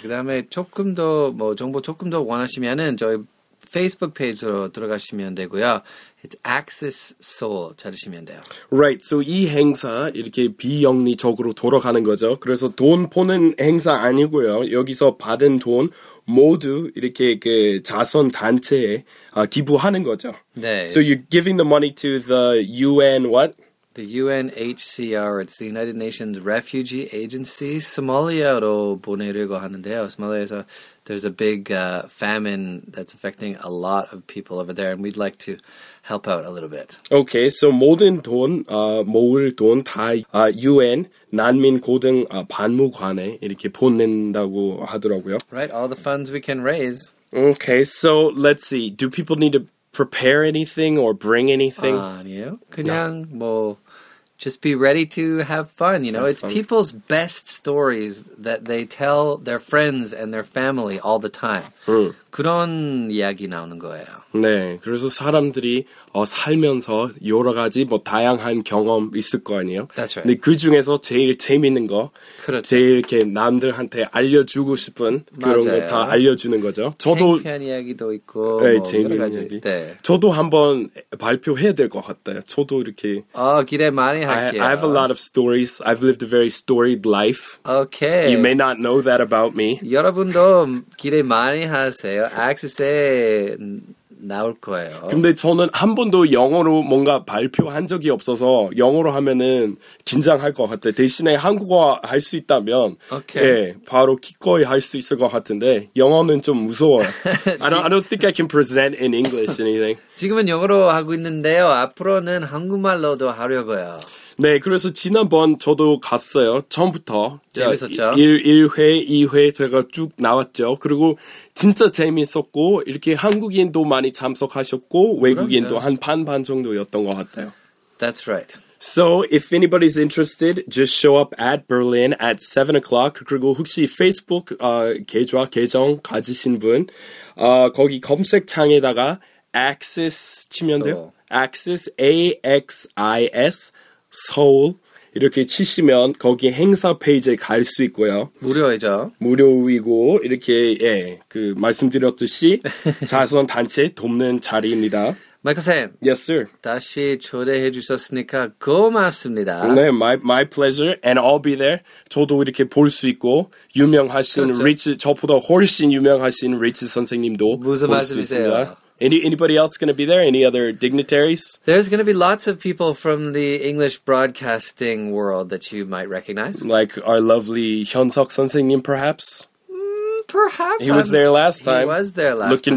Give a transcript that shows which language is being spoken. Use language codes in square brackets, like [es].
[ko] 그다음에 조금 더 뭐 정보 조금 더 원하시면은 저희 Facebook 페이지로 들어가시면 되고요. It's Axis Soul 찾으시면 돼요. [en] Right. [ko] So 이 행사 이렇게 비영리적으로 돌아가는 거죠. 그래서 돈 버는 행사 아니고요. 여기서 받은 돈 모두 이렇게 그 자선 단체에 기부하는 거죠. 네. [en] So you're giving the money to the UN what? The UNHCR. It's the United Nations Refugee Agency. [ko] 소말리아로 보내려고 하는데요. [en] 소말리아에서 There's a big famine that's affecting a lot of people over there, and we'd like to help out a little bit. [ko] Okay, so 모든 돈, 모을 돈 다 UN 난민 고등 반무관에 이렇게 보낸다고 하더라고요. [en] Right, all the funds we can raise. Okay, so let's see. Do people need to prepare anything or bring anything? [ko] 아니요, 그냥 no. [en] 뭐 just be ready to have fun, you know. Have it's fun. People's best stories that they tell their friends and their family all the time. [ko] 그런 이야기 나오는 거예요. 네, 그래서 사람들이 살면서 여러 가지 뭐 다양한 경험 있을 거 아니에요. [en] That's right. [ko] 근데 그 중에서 제일 재밌는 거, 그렇죠. 제일 이렇게 남들한테 알려주고 싶은 그런 맞아요. 거 다 알려주는 거죠. 저도 창피한 이야기도 있고, 네, 뭐 재밌는 여러 가지. 이야기. 네. 저도 한번 발표해야 될 것 같아요. 저도 이렇게 기대 많이 할게요. [en] I have a lot of stories. I've lived a very storied life. Okay. You may not know that about me. [ko] 여러분도 기대 많이 하세요. 액세스에 나올 거예요. 근데 저는 한 번도 영어로 뭔가 발표한 적이 없어서 영어로 하면은 긴장할 것 같아. 대신에 한국어 할 수 있다면 [en] okay. [ko] 예, 바로 기꺼이 할 수 있을 것 같은데 영어는 좀 무서워요. [en] I don't think I can present in English anything. [ko] 지금은 영어로 하고 있는데요. 앞으로는 한국말로도 하려고요. 네, 그래서 지난번 저도 갔어요. 처음부터. 재밌었죠? 1회, 2회 제가 쭉 나왔죠. 그리고 진짜 재밌었고 이렇게 한국인도 많이 참석하셨고 외국인도 한 반반 정도였던 것 같아요. [en] That's right. So if anybody's interested, just show up at Berlin at 7 o'clock. [ko] 그리고 혹시 페이스북 계정 가지신 분 거기 검색창에다가 AXIS 치면 돼요. AXIS, A-X-I-S. 서울 이렇게 치시면 거기 행사 페이지에 갈 수 있고요. 무료이죠. 무료이고 이렇게 예, 그 말씀드렸듯이 자선 단체 돕는 자리입니다. 마이크 쌤. [en] Yes, sir. [ko] 다시 초대해 주셨으니까 고맙습니다. [en] 네, my pleasure and I'll be there. [ko] 저도 이렇게 볼 수 있고 유명하신 그렇죠. Rich 저보다 훨씬 유명하신 Rich 선생님도 무슨 말씀이세요? [en] Anybody else going to be there? Any other dignitaries? There's going to be lots of people from the English broadcasting world that you might recognize. Like our lovely 현석 선생님, perhaps? Perhaps. He was there last time. He was there last time.